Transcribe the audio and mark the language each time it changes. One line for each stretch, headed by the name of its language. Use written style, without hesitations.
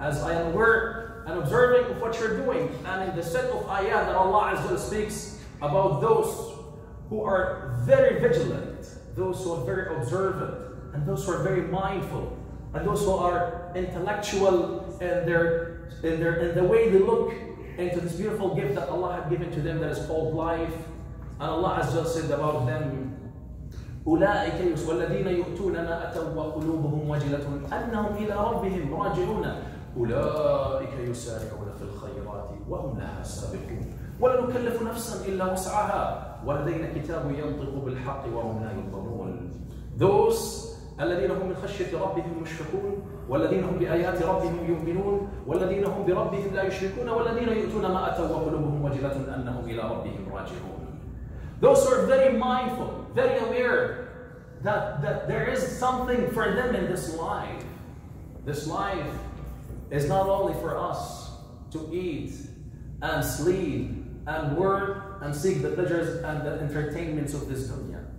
English: As I am aware and observing of what you're doing, and in the set of ayah that Allah Azza wa speaks about those who are very vigilant, those who are very observant, and those who are very mindful, and those who are intellectual in the way they look into this beautiful gift that Allah has given to them that is called life. And Allah Azza wa said about them,
Arabic: أولئك والذين يؤتون ما أتوا وقلوبهم وجلة أنهم إلى ربهم راجعون أولئك يسارعون في الخيرات وهم لها سابقون ولا نكلف نفسا إلا وسعها ولدينا كتاب ينطق بالحق وهم لا يظلمون.
English: Those
Arabic: الذين هم من خشية ربهم مشفقون والذين هم بآيات ربهم يؤمنون والذين هم بربهم لا يشركون والذين يؤتون ما أتوا وقلوبهم وجلة أنهم إلى ربهم راجعون.
English: Those who are very mindful, very aware that there is something for them in this life. This life is not only for us to eat and sleep and work and seek the pleasures and the entertainments of this dunya.